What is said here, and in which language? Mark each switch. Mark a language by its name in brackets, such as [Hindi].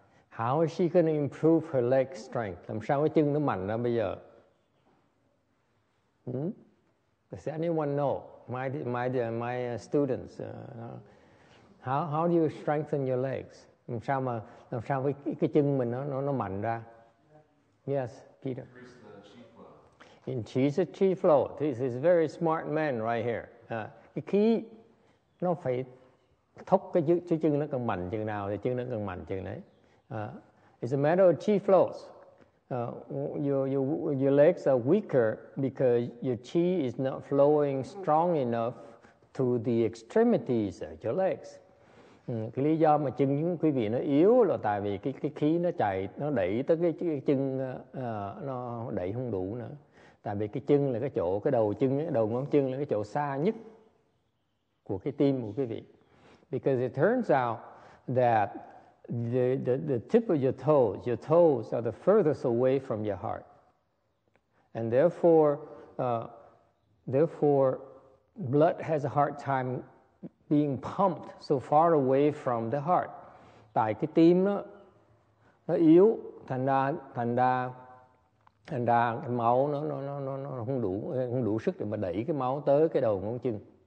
[English] How is she going to improve her leg strength? [Vietnamese] Làm sao cái chân nó mạnh ra bây giờ? [English] Does anyone know? My students. How do you strengthen your legs? [Vietnamese] Làm sao cái chân mình nó mạnh ra? [English] Yes. Peter. Increase the chi flow. This is very smart man right here. [Vietnamese] Cái khí nó phải thúc cái chân nó càng mạnh chừng nào thì chân nó càng mạnh chừng đấy. [English] It's a matter of chi flows. Your legs are weaker because your chi is not flowing strong enough to the extremities of your legs. [Vietnamese] Cái lý do mà chân quý vị nó yếu là tại vì cái khí nó chạy, nó đẩy tới cái chân, nó đẩy không đủ nữa. Tại vì cái chân là cái chỗ, cái đầu chân, cái đầu ngón chân là cái chỗ xa nhất của cái tim của quý vị. [English] Because it turns out that the tip of your toes are the furthest away from your heart. And therefore blood has a hard time being pumped so far away from the heart. [Vietnamese] Tại cái tim nó yếu, thành ra cái máu nó không đủ sức để mà đẩy cái máu tới cái đầu ngón chân.